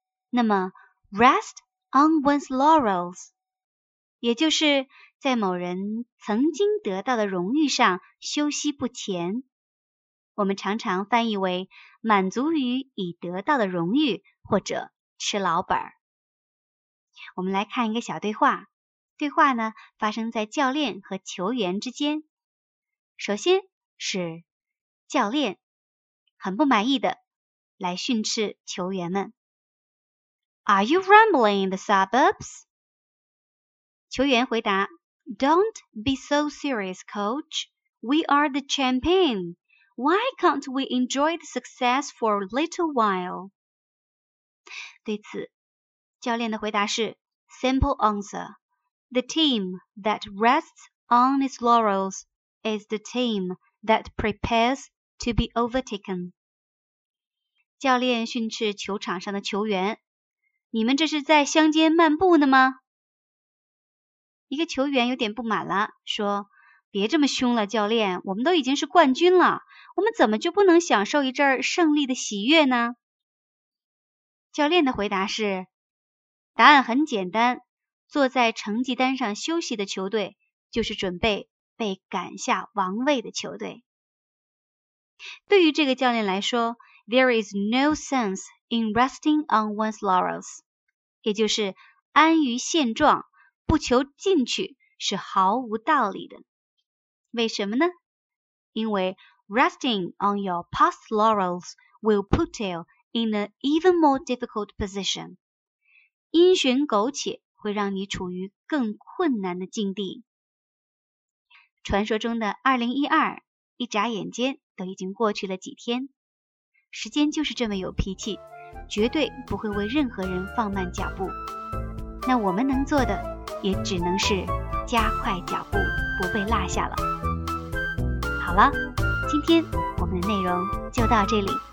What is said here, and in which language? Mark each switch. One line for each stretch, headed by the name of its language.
Chinese: 那么
English: rest on one's laurels
Chinese: 也就是在某人曾经得到的荣誉上休息不前，我们常常翻译为满足于已得到的荣誉或者吃老本。我们来看一个小对话，对话呢发生在教练和球员之间。首先是教练很不满意的来训斥球员们。
English: Are you rambling in the suburbs?
Chinese: 球员回答
English: Don't be so serious, coach. We are the champion. Why can't we enjoy the success for a little while?
Chinese: 对此教练的回答是
English: Simple answer. The team that rests on its laurels is the teamThat prepares to be overtaken.
Chinese: 教练训斥球场上的球员，你们这是在乡间漫步呢吗？一个球员有点不满了，说，别这么凶了，教练，我们都已经是冠军了，我们怎么就不能享受一阵胜利的喜悦呢？教练的回答是，答案很简单，坐在成绩单上休息的球队，就是准备被赶下王位的球队。对于这个教练来说，
English: There is no sense in resting on one's laurels，
Chinese: 也就是安于现状不求进取是毫无道理的。为什么呢？因为
English: resting on your past laurels will put you in an even more difficult position，
Chinese: 因循苟且会让你处于更困难的境地。传说中的2012一眨眼间都已经过去了几天，时间就是这么有脾气，绝对不会为任何人放慢脚步，那我们能做的也只能是加快脚步不被落下了。好了，今天我们的内容就到这里。